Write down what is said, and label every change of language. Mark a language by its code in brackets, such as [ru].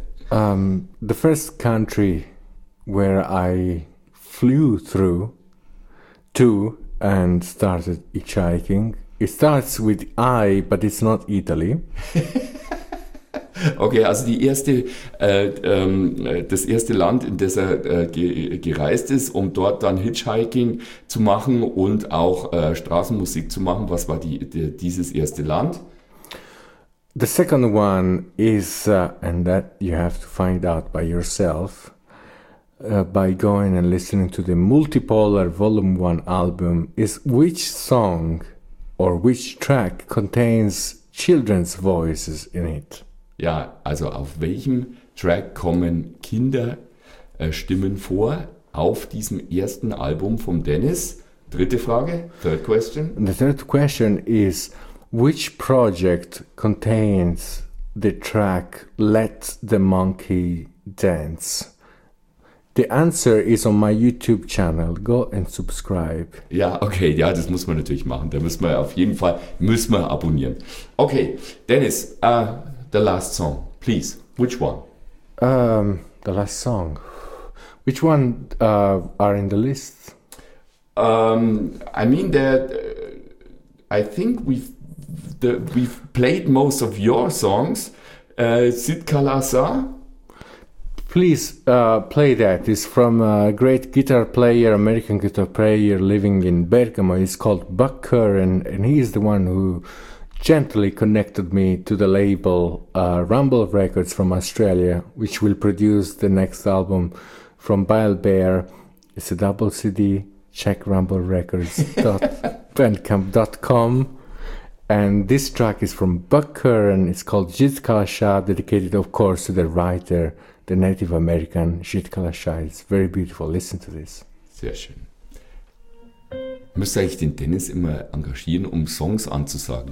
[en] the first country where I flew through to and started hitchhiking. It starts with I, but it's not Italy. [de] Okay, also die erste, das erste Land, in das er gereist ist, um dort dann Hitchhiking zu machen und auch Straßenmusik zu machen. Was war dieses erste Land? [en] The second one is, and that you have to find out by yourself, by going and listening to the Multipolar Volume 1 album, is which song or which track contains children's voices in it? [de] Ja, also auf welchem Track kommen Kinderstimmen vor auf diesem ersten Album von Dennis? Dritte Frage, [en] third question. And the third question is, which project contains the track Let the Monkey Dance? The answer is on my YouTube channel. Go and subscribe. [de] Ja, okay. Ja, das muss man natürlich machen. Da müssen wir auf jeden Fall abonnieren. [en] Okay, Dennis, the last song, please. Which one? The last song. Which one are in the list? I mean that I think we've played most of your songs. Sid Kalasa. Please play that. It's from a great guitar player, American guitar player living in Bergamo. He's called Buck Curran, and he is the one who gently connected me to the label Rumble Records from Australia, which will produce the next album from Bile Bear. It's a double CD. Check rumblerecords.bandcamp.com. And this track is from Buck Curran. It's called Jitkalasha, dedicated, of course, to the writer, the Native American Jitkalasha. It's very beautiful. Listen to this. [de] Sehr schön. Müsste eigentlich den Dennis immer engagieren, um Songs anzusagen.